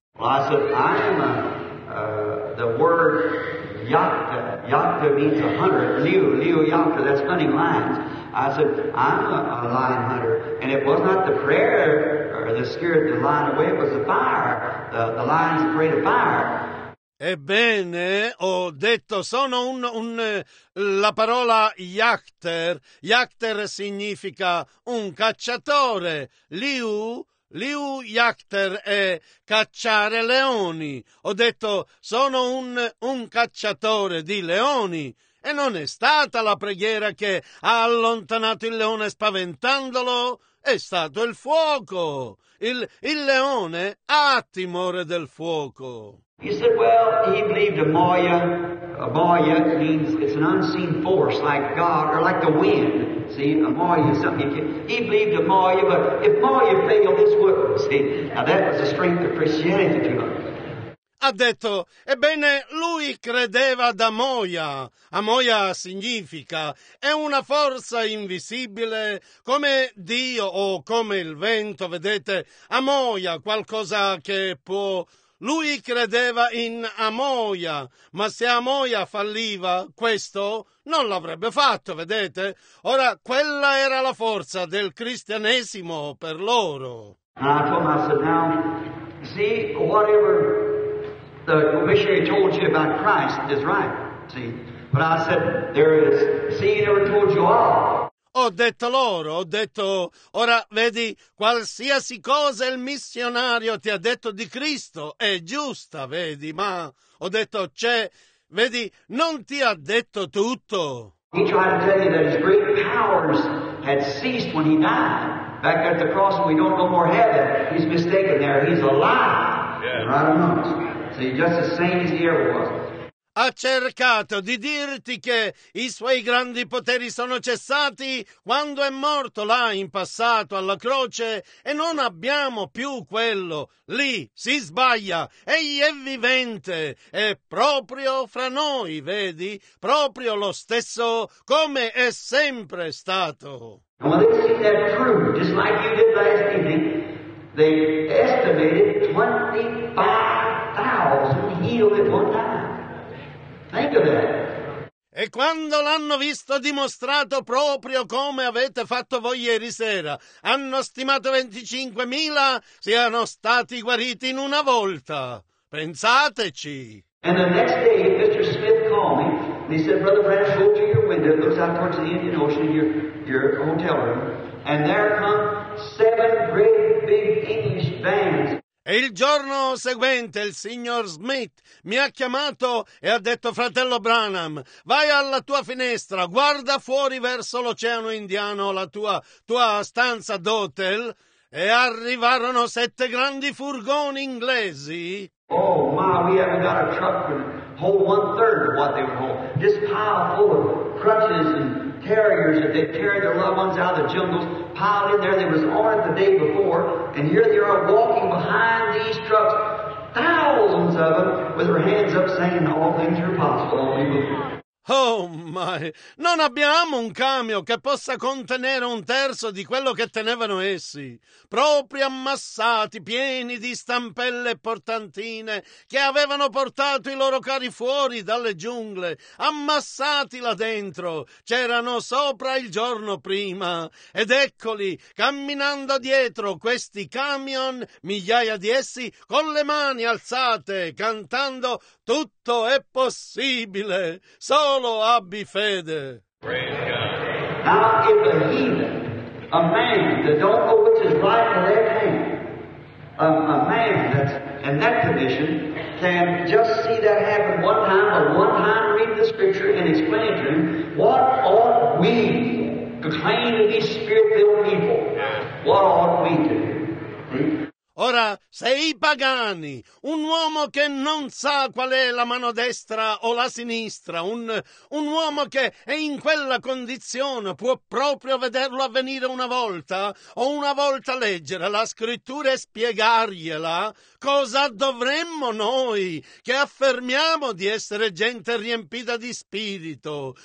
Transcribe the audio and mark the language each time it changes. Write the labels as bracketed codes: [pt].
[en] Well, I said, I'm the word Yakta. Yakta means a hunter. Leo Yakta, that's hunting lions. I said, I'm a lion hunter. And it was not the prayer or the scared the lion away, it was the fire. The lion's afraid of fire. [it] Ebbene, ho detto, sono un la parola Yakter. Yakter significa un cacciatore. Liu Yakter è cacciare leoni. Ho detto, sono un cacciatore di leoni. E non è stata la preghiera che ha allontanato il leone spaventandolo, è stato il fuoco. Il leone ha timore del fuoco. [en] He said, well, he believed a Maya. A Maya means it's an unseen force like God or like the wind. See, a Maya is something you can't. He believed a Maya, but if Maya failed, this wouldn't. See, now that was the strength of Christianity to him. [it] Ha detto, ebbene, lui credeva ad Amoia. Amoia significa, è una forza invisibile, come Dio o come il vento, vedete? Amoia, qualcosa che può. Lui credeva in Amoia, ma se Amoia falliva, questo non l'avrebbe fatto, vedete? Ora, quella era la forza del cristianesimo per loro. [en] Thomas, now, see, whatever the missionary told you about Christ is right, see. But I said, there is. See, he never told you all. [it] Ho detto loro, ho detto, ora vedi, qualsiasi cosa il missionario ti ha detto di Cristo è giusta, vedi, ma ho detto, c'è, vedi, non ti ha detto tutto. [en] He tried to tell you that his great powers had ceased when he died. back at the cross and we don't no more have it. He's mistaken there. He's alive. Yeah. Right among us. See, just the same as he ever was. [it] Ha cercato di dirti che i suoi grandi poteri sono cessati quando è morto là in passato alla croce e non abbiamo più quello. Lì si sbaglia, egli è vivente, è proprio fra noi, vedi? Proprio lo stesso come è sempre stato. [en] Well, they see that true, just like you did last evening, they estimated 25,000 healed at one time. Think of that. [it] E quando l'hanno visto dimostrato proprio come avete fatto voi ieri sera, hanno stimato 25,000 siano stati guariti in una volta. Pensateci. [en] And the next day, Mr. Smith called me, and he said, Brother Branham, go to your window, it looks out towards the Indian Ocean, your hotel room, and there come 7 great big English bands. [it] E il giorno seguente il signor Smith mi ha chiamato e ha detto, fratello Branham, vai alla tua finestra, guarda fuori verso l'oceano indiano, la tua stanza d'hotel, e arrivarono 7 grandi furgoni inglesi. [en] Oh, my, we haven't got a truck to hold one third of what they hold. Just pile full of crutches and carriers that they carried their loved ones out of the jungles, piled in there. They was on it the day before, and here they are walking behind these trucks, thousands of them, with their hands up saying, all things are possible. Oh, my, [it] non abbiamo un camion che possa contenere un terzo di quello che tenevano essi, proprio ammassati, pieni di stampelle e portantine che avevano portato i loro cari fuori dalle giungle, ammassati là dentro, c'erano sopra il giorno prima, ed eccoli, camminando dietro questi camion, migliaia di essi, con le mani alzate, cantando tutto è possibile, solo abbi fede. [en] Now, if a heathen, a man that don't know which is right or left hand, a man that's in that condition, can just see that happen one time or one time reading the scripture and explain to him, what ought we to claim to these spirit-filled people? What ought we to do? [it] Ora, se i pagani, un uomo che non sa qual è la mano destra o la sinistra, un uomo che è in quella condizione può proprio vederlo avvenire una volta, o una volta leggere la scrittura e spiegargliela, cosa dovremmo noi che affermiamo di essere gente riempita di spirito?